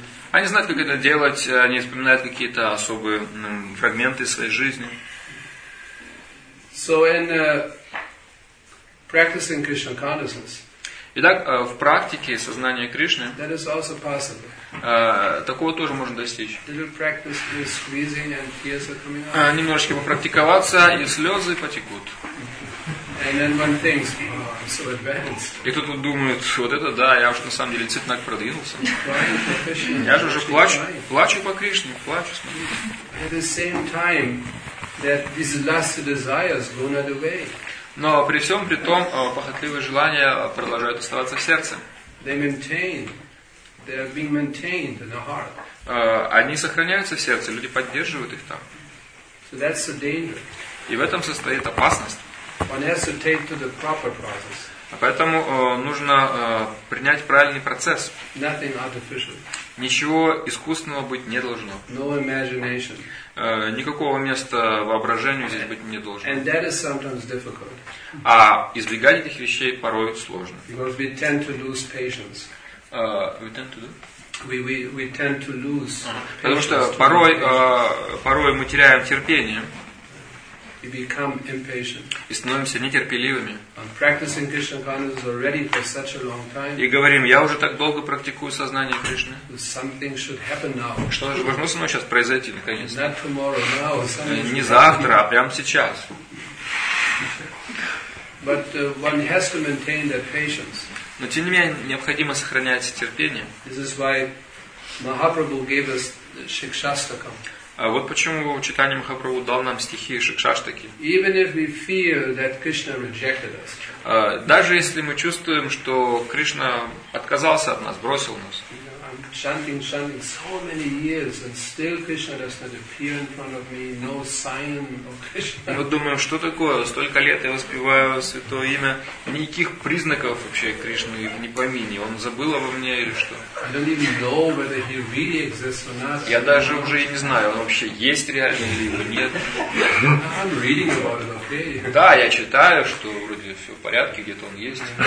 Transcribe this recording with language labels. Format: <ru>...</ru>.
<ru>Они знают, как это делать, они вспоминают какие-то особые фрагменты своей жизни.</ru> <en>So in practicing Krishna consciousness.</en> <ru>Итак, в практике сознания Кришны</ru> <en>that is also possible.</en> <ru>Такого тоже можно достичь.</ru> <en>Did you practice the squeezing and tears are coming out?</en> <ru>Немножечко попрактиковаться, и слезы потекут.</ru> <en>And then one thinks, oh, I'm so advanced.</en> <ru>И кто-то думает, вот это да, я уж на самом деле действительно продвинулся. Я же уже плачу по Кришне, плачу, смотрите.</ru> <en>At the same time that these lusty desires go not away.</en> <ru>Но при всем при том, похотливые желания продолжают оставаться в сердце.</ru> <en>They maintain. They are being maintained in the heart.</en> <ru>Они сохраняются в сердце, люди поддерживают их там.</ru> <en>So that's the danger.</en> <ru>И в этом состоит опасность.</ru> <en>One has to take to the proper process.</en> <ru>Поэтому нужно принять правильный процесс.</ru> <en>Nothing artificial.</en> <ru>Ничего искусственного быть не должно.</ru> <en>No imagination.</en> <ru>Никакого места воображению здесь быть не должно.</ru> <en>And that is sometimes difficult.</en> <ru>А избегать этих вещей порой сложно.</ru> <en>Because we tend to lose patience. We tend to lose.</en> <ru>Потому что порой мы теряем терпение.</ru> <en>We become impatient.</en> <ru>И становимся нетерпеливыми.</ru> <en>I'm practicing Krishna consciousness already for such a long time.</en> <ru>И говорим, я уже так долго практикую сознание Кришны.</ru> <en>Something should happen now.</en> <ru>Что же должно со мной сейчас произойти наконец?</ru> <en>Not tomorrow, now.</en> <ru>Не завтра, а прямо сейчас.</ru> <en>But one has to maintain that patience.</en> <ru>Но тем не менее необходимо сохранять терпение.</ru> <en>This is why Mahaprabhu gave us Shikshastakam.</en> <ru>А вот почему Чайтанья Махапрабху дал нам стихи Шикшаштаки.</ru> <en>Even if we feel that Krishna rejected us.</en> <ru>Даже если мы чувствуем, что Кришна отказался от нас, бросил нас.</ru> <en>Chanting so many years and still Krishna does not appear in front of me, no sign of Krishna.</en> <ru>Мы думаем, что такое? Столько лет я воспеваю святое имя, никаких признаков вообще Кришны не помине. Он забыл обо мне или что?</ru> <en>I don't even know whether he really exists or not.</en> <ru>Я даже уже и не знаю, он вообще есть реально или нет.</ru> <en>I'm reading about it, okay.</en> <ru>Да, я читаю, что вроде все в порядке, где-то он есть.</ru>